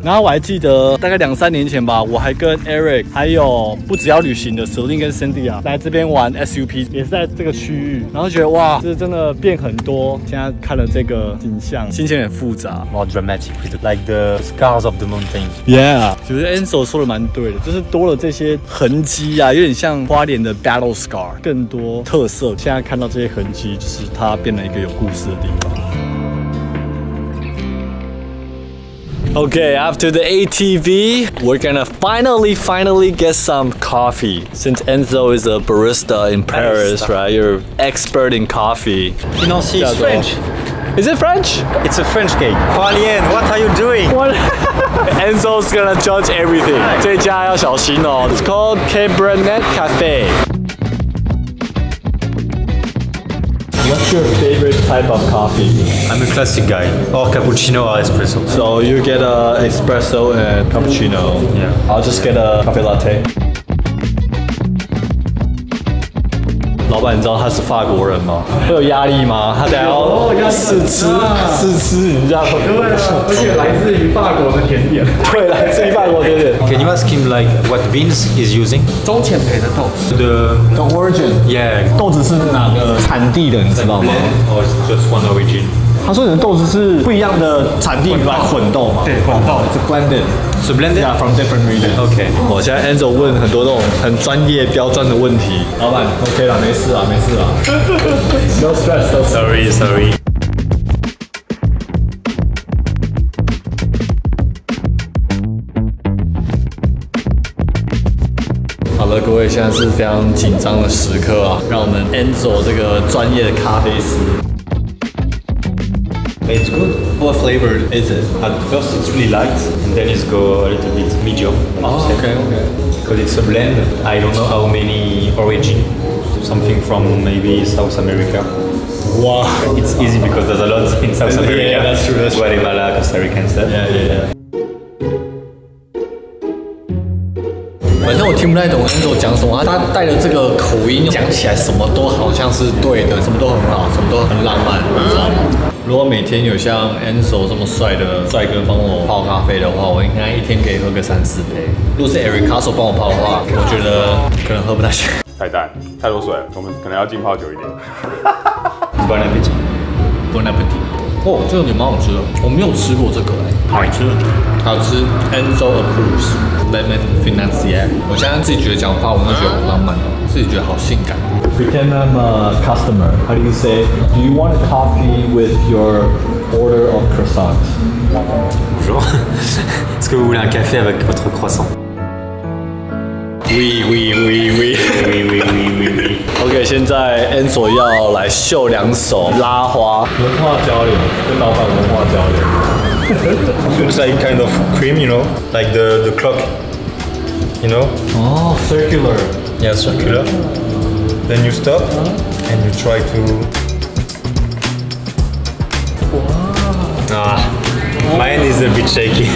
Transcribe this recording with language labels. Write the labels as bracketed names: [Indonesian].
[Chinese] 然后我还记得大概两三年前吧，我还跟 Eric 还有不只要旅行的 Celine 跟 Cindy 啊，来这边玩 SUP， 也是在这个区域，然后觉得哇，这真的变很多，现在看了这个景象，心情很复杂， [English] 哇 dramatic。Like the scars of the mountains. [Chinese] Yeah, 其实 Enzo 说的蛮对的，就是多了这些痕迹啊，有点像花莲的 battle scar， 更多特色。现在看到这些痕迹，就是它变成一个有故事的地方。 [English] Okay, after the ATV, we're gonna finally get some coffee. Since Enzo is a barista in Paris, right? You're expert in coffee. You know, she's French. Is it French? It's a French cake. Hualien, what are you doing? What? Enzo's gonna judge everything. [Chinese] 这家要小心哦。 [English] It's called Cabernet Cafe. What's your favorite type of coffee? I'm a classic guy. Or cappuccino or espresso. So you get an espresso and cappuccino. Yeah. I'll just get a cafe latte. [Chinese] 老板，你知道他是法国人吗？会有压力吗？他得要试吃，试吃人家的。对啊，而且来自于法国的甜点。对，来自于法国甜点。 [English] Can you ask him like what beans he's using? [Chinese] 中浅焙的豆子。 [English] The origin. Yeah. [Chinese] 豆子是哪个产地的？你知道吗 [English] ？Or just one origin? [Chinese] 他说你的豆子是不一样的产地，来混豆吗？对，混豆。 [English] It's blended. So blended? Yeah, from different regions. Okay. 我现在 Enzo 问很多那种很专业刁钻的问题。老板 ，OK 啦，没事啦，没事啦。 No stress, no stress. Sorry, sorry. 各位，现在是非常紧张的时刻啊，让我们 Enzo 这个专业的咖啡师。 It's good. What flavor is it? At first, it's really light, and then it's go a little bit medium. Oh, okay, okay. Because it's a blend. I don't know how many origin. Something from maybe South America. Wow. It's easy because there's a lot in South America. Yeah, that's true. That's Guatemala, Costa Rica and stuff. Yeah. [Chinese] 反正我听不太懂 Enzo 讲什么，他带着这个口音讲起来什么都好像是对的，什么都很好，什么都很浪漫，你知道吗？如果每天有像 Ansel 这么帅的帅哥帮我泡咖啡的话，我应该一天可以喝个三四杯。如果是 Eric Castle 帮我泡的话，我觉得可能喝不太下。太淡，太多水，我们可能要浸泡久一点。 [French] Bon appetit. Bon appetit. [Chinese] 哦，这个也蛮好吃的，我没有吃过这个哎，好吃，好吃。 [English] Ansel approves lemon financier. [Chinese] 我现在自己觉得讲话，我都觉得好浪漫，自己觉得好性感。 [English] Pretend I'm a customer. How do you say? Do you want a coffee with your order of croissant? [French] Bonjour. Est-ce que vous voulez un café avec votre croissant? Oui, oui, oui, oui, oui, oui, oui, oui, oui. [Chinese] OK, 现在 Ansel 要来秀两手拉花。文化交流，跟老板文化交流。 [English] Looks like kind of cream, you know, like the clock, you know? Oh, circular. Yeah, circular. Then you stop and you try to. Wow. Ah, mine is a bit shaky.